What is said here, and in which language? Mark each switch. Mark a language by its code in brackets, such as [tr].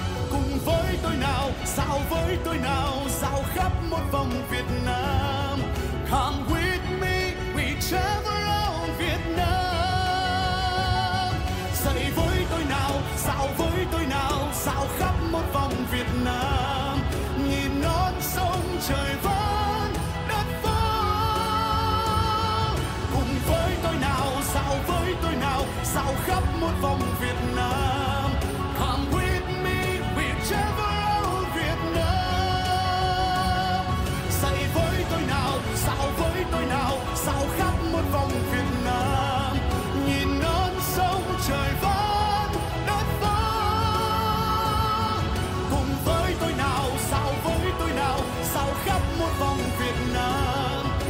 [vi] Cùng với tôi nào, dạo với tôi nào, dạo khắp một vòng Việt Nam. [en] Come with me, we travel around Việt Nam. [vi] Dậy với tôi nào, dạo với tôi nào, dạo khắp một vòng Việt Nam. Nhìn non sông trời vẫn đất vỡ. Cùng với tôi nào, dạo với tôi nào, dạo khắp một vòng Việt Nam. [en] Come with me, we travel around Việt Nam. [vi] Dậy với tôi nào, dạo với tôi nào, dạo khắp một vòng Việt Nam. Nhìn non sông trời vẫn đất vỡ. Cùng với tôi nào, dạo với tôi nào, dạo khắp một vòng Việt Nam.